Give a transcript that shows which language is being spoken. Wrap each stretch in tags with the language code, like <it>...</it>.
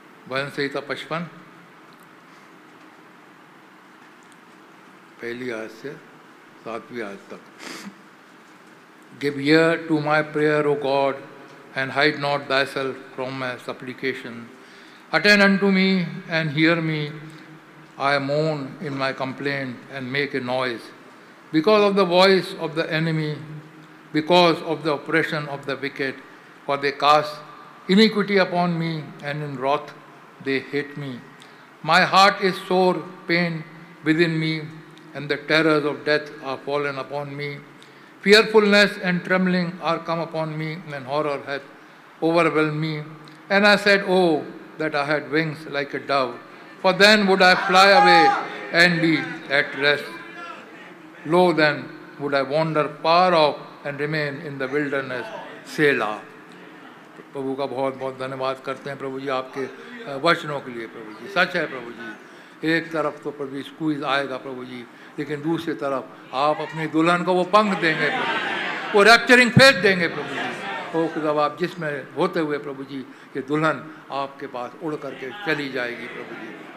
<hi>वंश संहिता 55 पहली आयत से 7वीं आयत तक.</hi> <en>Give ear to my prayer, O God, and hide not thyself from my supplication. Attend unto me and hear me. I moan in my complaint and make a noise. Because of the voice of the enemy, because of the oppression of the wicked, for they cast iniquity upon me, and in wrath they hate me. My heart is sore pain within me, and the terrors of death are fallen upon me. Fearfulness and trembling are come upon me, and horror hath overwhelmed me. And I said, Oh, that I had wings like a dove, for then would I fly away and be at rest. Lo, then would I wander far off and remain in the wilderness. Selah.</en> <hi>प्रभु का बहुत बहुत धन्यवाद करते हैं प्रभु जी आपके वचनों के लिए प्रभु जी. सच है प्रभु जी, एक तरफ तो प्रभु स्क्वीज आएगा प्रभु जी, लेकिन दूसरी तरफ आप अपनी दुल्हन को वो पंख देंगे प्रभु जी, वो रैप्चरिंग फेथ देंगे प्रभु जी. ओ जब आप जिसमें होते हुए प्रभु जी ये दुल्हन आपके पास उड़ करके चली जाएगी प्रभु जी.</hi>